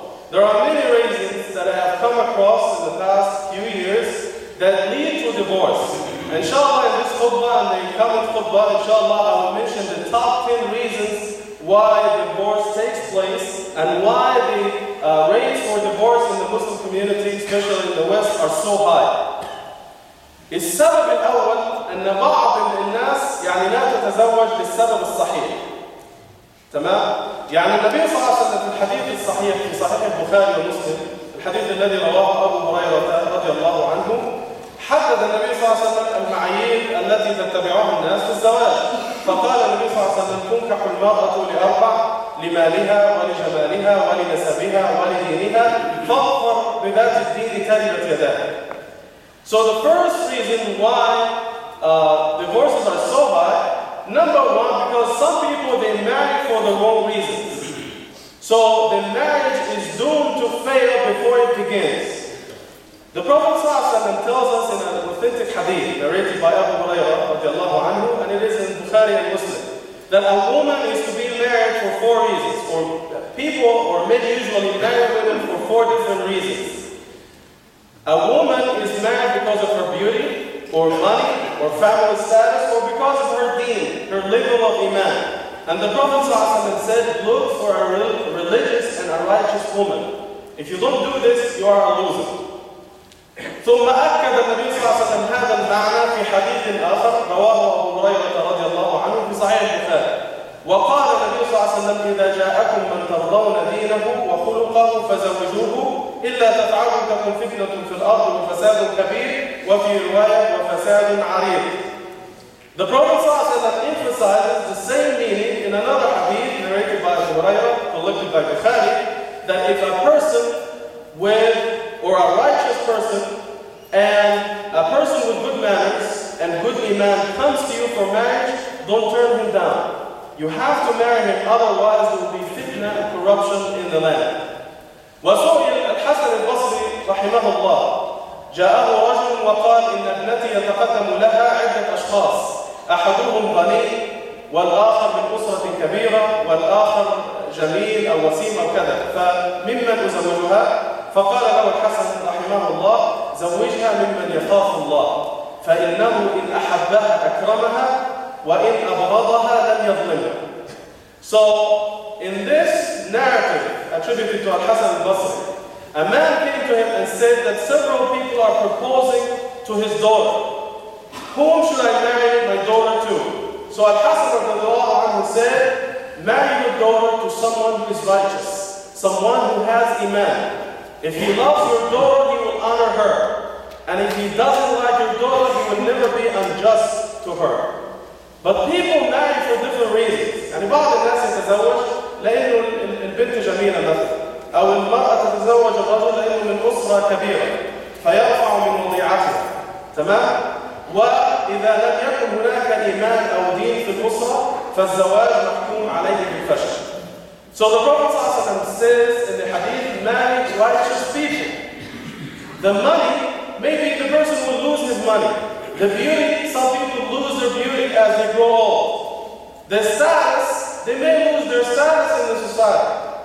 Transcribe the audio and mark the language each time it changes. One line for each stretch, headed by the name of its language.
English: There are many reasons that I have come across in the past few years that lead to divorce. Inshallah, in this khutbah and the incoming khutbah, inshallah, I will mention the top 10 reasons why divorce takes place and why the rates for divorce in the Muslim community, especially in the West, are so high.
Arabic: السبب الأول أن بعض الناس يعني لا تتزوج للسبب الصحيح. تمام؟ يعني النبي صلى الله عليه وسلم في الحديث الصحيح في صحيح البخاري ومسلم، الحديث الذي رواه أبو هريرة رضي الله عنه، حدد النبي صلى الله عليه وسلم المعايير التي تتبعها الناس في الزواج، فقال النبي صلى الله عليه وسلم: تنكح المرأة لأربع، لمالها ولجمالها ولنسبها ولدينها، فاظفر بذات الدين تربة يداك.
English: So the first reason why divorces are so high, number one, because some people, they marry for the wrong reasons. So the marriage is doomed to fail before it begins. The Prophet ﷺ tells us in an authentic hadith narrated by Abu Hurairah, and it is in Bukhari and Muslim, that a woman is to be married for four reasons. Or people or men usually marry women for four different reasons. A woman is married because of her beauty, or money, or family status, or because of her deen, her level of iman. And the Prophet ﷺ said, look for a religious and a righteous woman. If you don't do this, you are a loser.
Arabic: ثم أكد النبي صلى الله عليه وسلم هذا المعنى في حديث آخر رواه أبو هريرة رضي الله عنه في صحيح البخاري. وقال النبي صلى الله عليه وسلم: إذا جاءكم من ترضون دينه وخلقه فزوجوه إلا تفعلوا لكم فتنة في الأرض وفساد كبير وفي رواية وفساد عريض.
English: The Prophet
Arabic: صلى الله عليه وسلم
English: emphasizes the same meaning in another hadith narrated by Abu Hurairah, collected by Bukhari, that if a person with or a righteous person and a person with good manners and good iman comes to you for marriage, don't turn him down. You have to marry him, otherwise there will be fitna and corruption in the land.
Arabic: الحسن البصري رحمه الله جاءه رجل وقال إن ابنتي يتقدم لها عدة أشخاص أحدهم غني والآخر من أسرة كبيرة والآخر جميل أو وسيم أو كذا فممن أزوجها؟ فقال له الحسن رحمه الله: زوجها ممن يخاف الله فإنه إن أحبها أكرمها وإن أبغضها لم يظلمها.
English: So in this narrative attributed to الحسن البصري, a man came to him and said that several people are proposing to his daughter. Whom should I marry my daughter to? So Al-Hasan
Arabic: radiallahu anhu
English: said, marry your daughter to someone who is righteous, someone who has iman. If he loves your daughter, he will honor her. And if he doesn't like your daughter, he will never be unjust to her. But people marry for different reasons.
Arabic: And بعض الناس يتزوج لأنه البنت جميلة مثلا. أو المرأة تتزوج الرجل لأنه من أسرة كبيرة فيرفع من مضيعته. تمام؟ وإذا لم يكن هناك إيمان أو دين في الأسرة فالزواج محكوم عليه بالفشل.
English: So the Prophet ﷺ says in the hadith, marry righteous people. The money, maybe the person will lose his money. The beauty, some people lose their beauty as they grow old. The status, they may lose their status in the society.